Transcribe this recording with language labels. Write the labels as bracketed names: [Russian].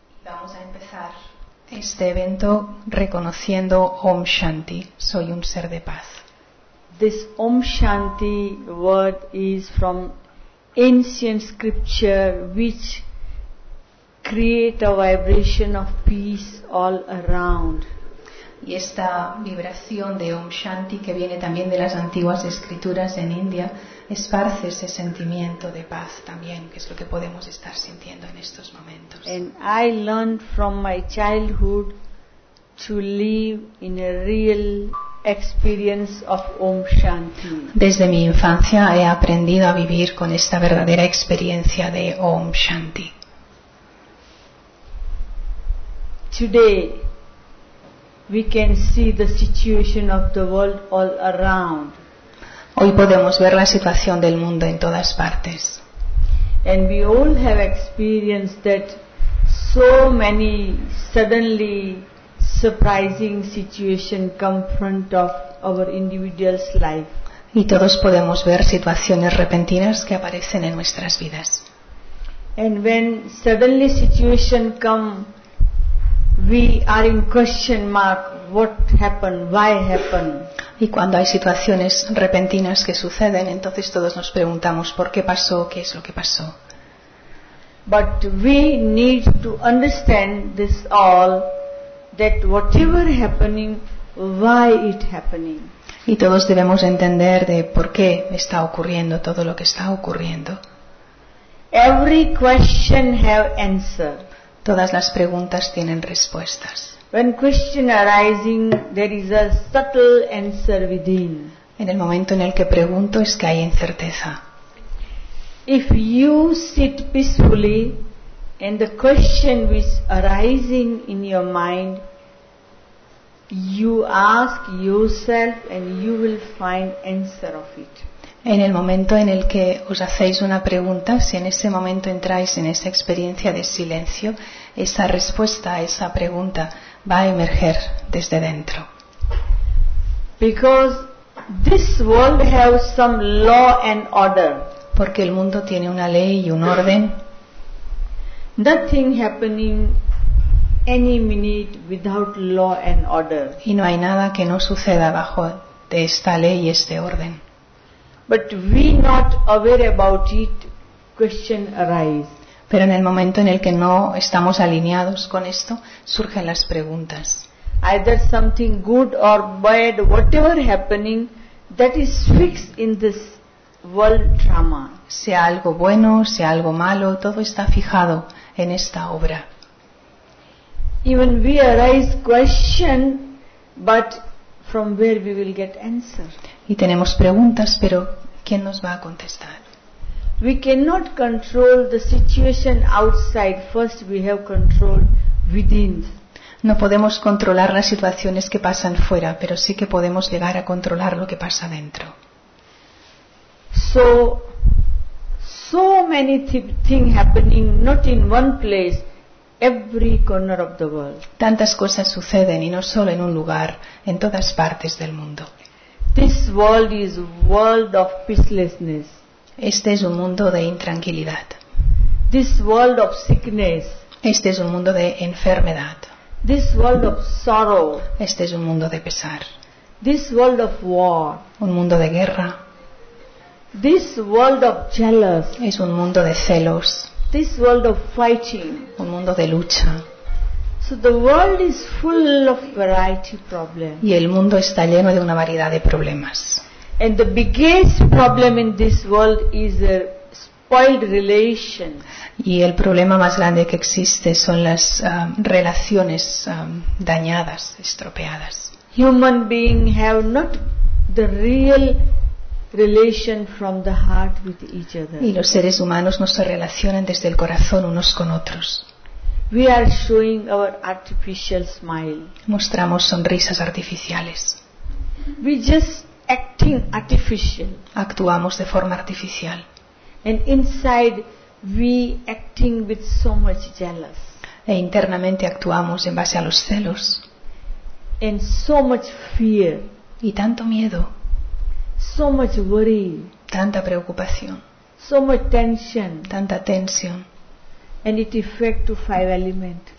[Spanish] Vamos a empezar este evento reconociendo Om Shanti. Soy un ser de paz. [English] This Om Shanti word is from ancient scripture which create a vibration of peace all around. [Spanish] Y esta vibración de Om Shanti, que viene también de las antiguas escrituras en India, esparce ese sentimiento de paz también, que es lo que podemos estar sintiendo en estos momentos. [English] And I learned from my childhood to live in a real experience of Om Shanti. [Spanish] Desde mi infancia he aprendido a vivir con esta verdadera experiencia de Om Shanti. [English] Today we can see the situation of the world all around. [Spanish] Hoy podemos ver la situación del mundo en todas partes. [English] And we all have experienced that so many suddenly surprising situations come front of our individual's life. [Spanish] Y todos podemos ver situaciones repentinas que aparecen en nuestras vidas. [English] And when suddenly situation come, we are in question mark. What happened? Why happened? [Spanish] Y cuando hay situaciones repentinas que suceden, entonces todos nos preguntamos por qué pasó, qué es lo que pasó. [English] But we need to understand this all, that whatever happening, why it happening. [Spanish] Y todos debemos entender de por qué está ocurriendo todo lo que está ocurriendo. [English] Every question have answer. [Spanish] Todas las preguntas tienen respuestas. [English] When question arising, there is a subtle answer within. [Spanish] En el momento en el que pregunto es que hay incerteza. [English] If you sit peacefully and the question which arising in your mind, you ask yourself and you will find answer of it. [Spanish] En el momento en el que os hacéis una pregunta, si en ese momento entráis en esa experiencia de silencio, esa respuesta a esa pregunta va a emerger desde dentro. [English] Because this world has some law and order. [Spanish] Porque el mundo tiene una ley y un orden. [English] Nothing happening any minute without law and order. [Spanish] Y no hay nada que no suceda bajo de esta ley y este orden. [English] But we not aware about it, question arise. [Spanish] Pero en el momento en el que no estamos alineados con esto, surgen las preguntas. [English] Either something good or bad, whatever happening, that is fixed in this world drama. [Spanish] Sea algo bueno, sea algo malo, todo está fijado en esta obra. [English] Even we arise question, but from where we will get answer. [Spanish] Y tenemos preguntas, pero ¿quién nos va a contestar? [English] We cannot control the situation outside. First we have control within. [Spanish] No podemos controlar las situaciones que pasan fuera, pero sí que podemos llegar a controlar lo que pasa dentro. [English] So many things happening, not in one place, every corner of the world. [Spanish] Tantas cosas suceden, y no solo en un lugar, en todas partes del mundo. [English] This world is world of peacelessness. [Spanish] Este es un mundo de intranquilidad. [English] This world of sickness. [Spanish] Este es un mundo de enfermedad. [English] This world of sorrow. [Spanish] Este es un mundo de pesar. [English] This world of war. [Spanish] Un mundo de guerra. [English] This world of jealous. [Spanish] Es un mundo de celos. [English] This world of fighting. [Spanish] Un mundo de lucha. [English] So the world is full of variety problems. [Spanish] Y el mundo está lleno de una variedad de problemas. [English] And the biggest problem in this world is a spoiled relation. [Spanish] Y el problema más grande que existe son las relaciones dañadas, estropeadas. [English] Human beings have not the real relation from the heart with each other. [Spanish] Y los seres humanos no se relacionan desde el corazón unos con otros. [English] We are showing our artificial smile. [Spanish] Mostramos sonrisas artificiales. [English] We just acting artificial. [Spanish] Actuamos de forma artificial. [English] And inside we acting with so much jealous. [Spanish] E internamente actuamos en base a los celos. [English] And so much fear. [Spanish] Y tanto miedo. [English] So much worry. [Spanish] Tanta preocupación. [English] So much tension. [Spanish] Tanta tensión. [English] And it affects to five elements.